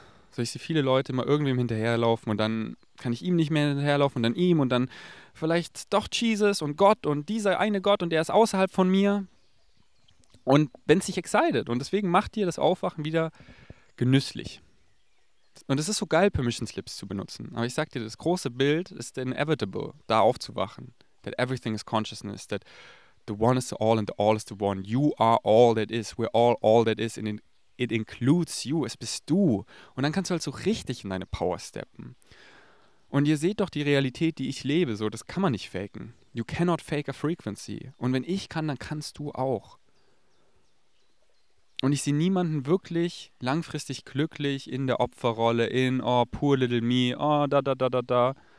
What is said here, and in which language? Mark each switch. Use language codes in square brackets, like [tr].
[de] So, ich sehe viele Leute immer irgendwem hinterherlaufen und dann kann ich ihm nicht mehr hinterherlaufen und dann ihm und dann vielleicht doch Jesus und Gott und dieser eine Gott und der ist außerhalb von mir. Und wenn es dich excited und deswegen macht dir das Aufwachen wieder genüsslich. Und es ist so geil, Permission Slips zu benutzen. Aber ich sag dir, das große Bild ist inevitable, da aufzuwachen. [en] That everything is consciousness, that the one is the all and the all is the one. You are all that is, we're all that is and it includes you, [de] es bist du. Und dann kannst du halt so richtig in deine Power steppen. Und ihr seht doch die Realität, die ich lebe, so, das kann man nicht faken. [en] You cannot fake a frequency. [de] Und wenn ich kann, dann kannst du auch. Und ich sehe niemanden wirklich langfristig glücklich in der Opferrolle, in, [en] oh, poor little me, [de] oh, da, da, da, da, da.